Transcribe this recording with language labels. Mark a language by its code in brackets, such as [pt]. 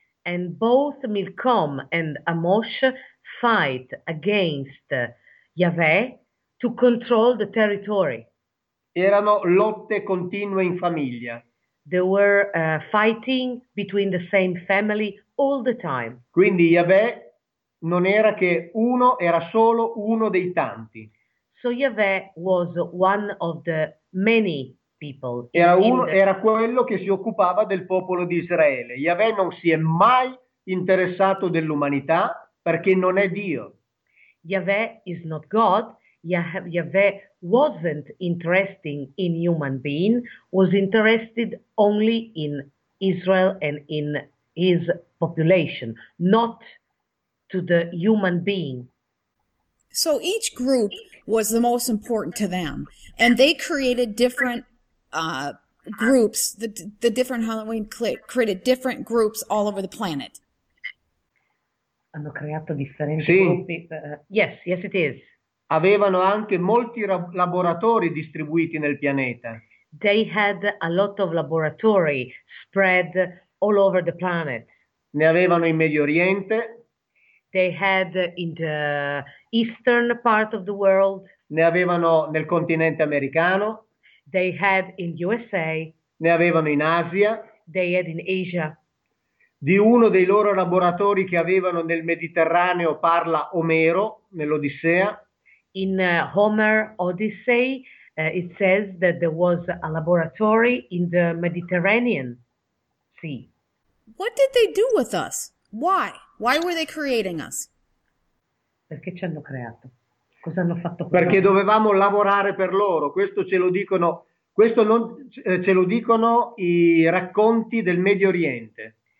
[en] And both Milcom and Amosh fight against Yahweh to control the territory. [it] Erano lotte continue in famiglia. [en] They were fighting between the same family all the time. [it] Quindi Yahweh non era che uno, era solo uno dei tanti. [en] So Yahweh was one of the many people [it] Era [en] in the. [it] quello che si occupava del popolo di Israele. Yahweh non si è mai interessato dell'umanità perché non è Dio. [en] Yahweh is not God. Yahweh wasn't interested in human being, was interested only in Israel and in his population, not to the human being. So each group was the most important to them, and they created different groups. The different Halloween clique created different groups all over the planet. [it] Hanno creato differenti Sì. [en] gruppi. Yes, yes, it is. [it] avevano anche molti laboratori distribuiti nel pianeta. [en] They had a lot of laboratory spread all over the planet. [it] Ne avevano in Medio Oriente, [en] They had in the eastern part of the world. [it] ne avevano nel continente americano, [en] They had in USA. [it] ne avevano in Asia. [en] They had in Asia. [it] Di uno dei loro laboratori che avevano nel Mediterraneo parla Omero, nell'Odissea. [en] In Homer Odyssey, it says that there was a laboratory in the Mediterranean Sea. What did they do with us? Why? Why were they creating us? [it] Perché ci hanno creato? Cosa hanno fatto con Perché noi? dovevamo lavorare per loro, questo non, ce lo dicono i racconti del Medio Oriente.